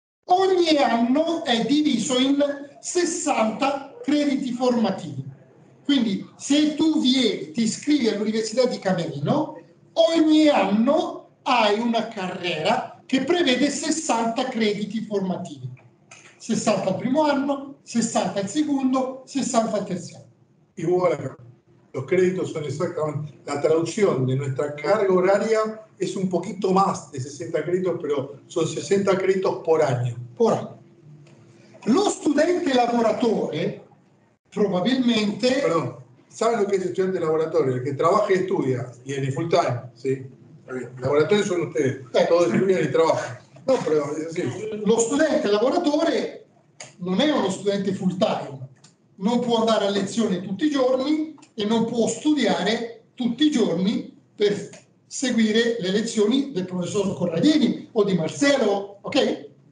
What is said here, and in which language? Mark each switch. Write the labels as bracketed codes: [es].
[it] Ogni anno è diviso in 60 crediti formativi. Quindi se tu vieni, ti iscrivi all'Università di Camerino, ogni anno hai una carriera che prevede 60 crediti formativi. 60 al primo anno, 60 al secondo, 60 al terzo anno. [fr] E voilà, [es] los créditos son exactamente la traducción de nuestra carga horaria. Es un poquito más de 60 créditos, pero son 60 créditos por año. Por año. [it] Lo studente lavoratore, probablemente... [es] Perdón, ¿saben lo que es el estudiante laboratorio? El que trabaja y estudia, y en el full time, ¿sí? Laboratorio son ustedes, todos estudian y trabajan. No, pero es así. [it] Lo studente lavoratore non è uno studente full time. Non può andare a lezione tutti i giorni e non può studiare tutti i giorni per seguire le lezioni del professor Corradini o di Marcello, ok?